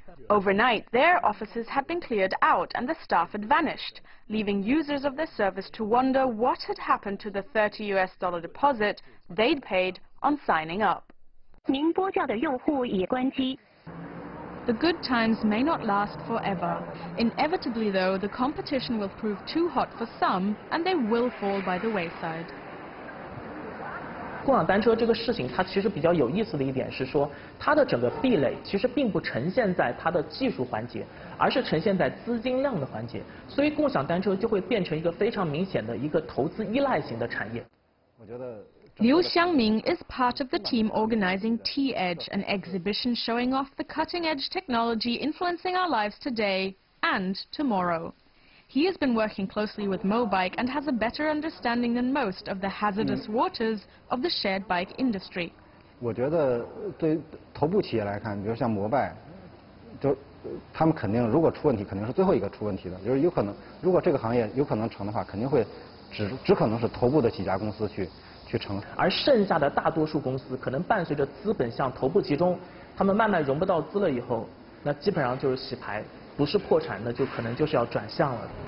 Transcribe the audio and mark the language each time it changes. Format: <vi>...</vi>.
<en>Overnight, their offices had been cleared out and the staff had vanished, leaving users of their service to wonder what had happened to the $30 deposit they'd paid on signing up. The good times may not last forever. Inevitably, though, the competition will prove too hot for some, and they will fall by the wayside.</en> <zh>共享单车这个事情，它其实比较有意思的一点是说，它的整个壁垒其实并不呈现在它的技术环节，而是呈现在资金量的环节。所以，共享单车就会变成一个非常明显的一个投资依赖型的产业。我觉得。</zh> <en>Liu Xiangming is part of the team organizing T-Edge, an exhibition showing off the cutting-edge technology influencing our lives today and tomorrow. He has been working closely with Mobike and has a better understanding than most of the hazardous waters of the shared bike industry.</en> <zh>我觉得对头部企业来看，比如像摩拜，就他们肯定如果出问题，肯定是最后一个出问题的。就是有可能，如果这个行业有可能成的话，肯定会只可能是头部的几家公司去成，而剩下的大多数公司可能伴随着资本向头部集中，他们慢慢融不到资了以后，那基本上就是洗牌，不是破产，那就可能就是要转向了。</zh>